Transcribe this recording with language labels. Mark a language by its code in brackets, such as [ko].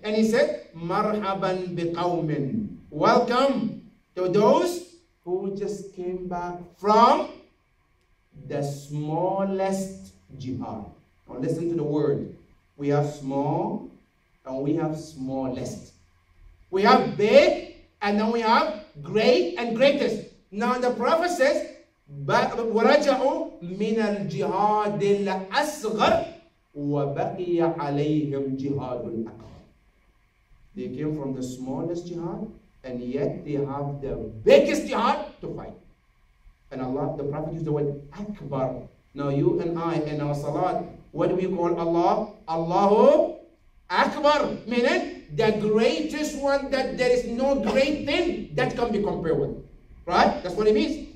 [en] And he said, [ar] Marhaban biqawmin. [en] Welcome to those who just came back from the smallest jihad. Now listen to the word. We have small and we have smallest. We have big and then we have great and greatest. Now the Prophet says, [ar] وَرَجَعُوا مِنَ الْجِهَادِ الْأَصْغَرِ وَبَقِيَ عَلَيْهِمْ جِهَادُ الْأَكْبَرِ. [en] They came from the smallest jihad, and yet they have the biggest jihad to fight. And Allah, the Prophet used the word Akbar. Now you and I, in our salat, what do we call Allah? Allahu Akbar, meaning the greatest one, that there is no great thing that can be compared with. Right? That's what it means.